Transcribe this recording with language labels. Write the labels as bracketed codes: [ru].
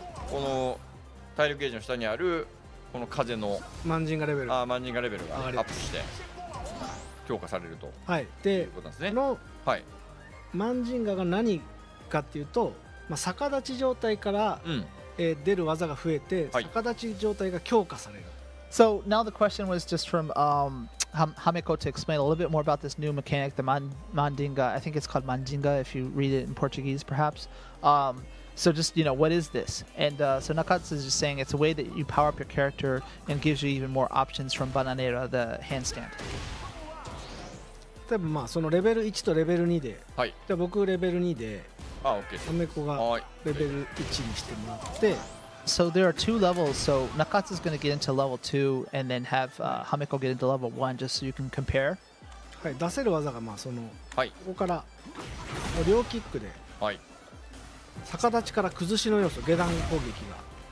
[ja] この体力ゲージの下にあるこの風のマンジンガレベル、あ、マンジンガレベルがアップして強化されると、はい、でということなんですね。の、はい、マンジンガが何かっていうと、まあ、逆立ち状態から、うん、出る技が増えて逆立ち状態が強化される。はい、 [en] So now the question was just from Hameko to explain a little bit more about this new mechanic, the Mandinga. I think it's called Mandinga if you read it in Portuguese, perhaps. So just, you know, what is this? And so Nakatsu is just saying it's a way that you power up your character and gives you even more options from Bananera, the handstand. [ja] 例えばまあそのレベル1とレベル2で、はい、じゃあ僕レベル2で。 [en] Ah, okay. [ja] Hameko がレベル1にしてもらって、 [en] So there are two levels. So Nakatsu is going to get into level 2 and then have Hameko get into level 1 just so you can compare. [ja] はい、出せる技がまあその、はい、ここから両キックで、はい、逆立ちから崩しの要素、下段攻撃が。